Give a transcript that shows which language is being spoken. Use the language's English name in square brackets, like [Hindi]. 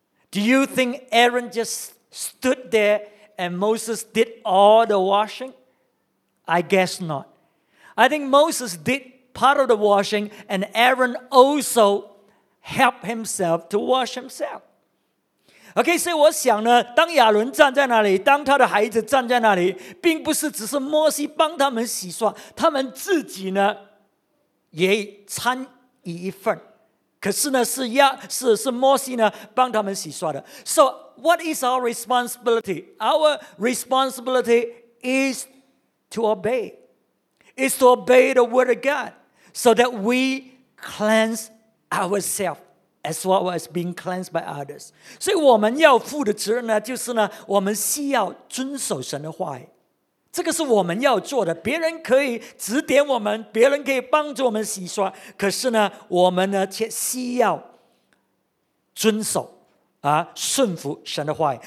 [English] Do you think Aaron just stood there and Moses did all the washing? I guess not. I think Moses did part of the washing and Aaron also helped himself to wash himself. [Chinese] Okay, 所以我想呢, 当亚伦站在那里, 当他的孩子站在那里, 并不是只是摩西帮他们洗刷, 他们自己呢, 也参与一份, 可是呢, 是摩西呢, 帮他们洗刷的。 [English] So, what is our responsibility? Our responsibility is to obey. It's to obey the word of God so that we cleanse ourselves as well as being cleansed by others. [Chinese] 所以我们要负的责任呢, 就是呢, 我们需要遵守神的话语。这个是我们要做的, 别人可以指点我们, 别人可以帮助我们洗刷, 可是呢, 我们呢, 却需要遵守, 啊, 顺服神的话语。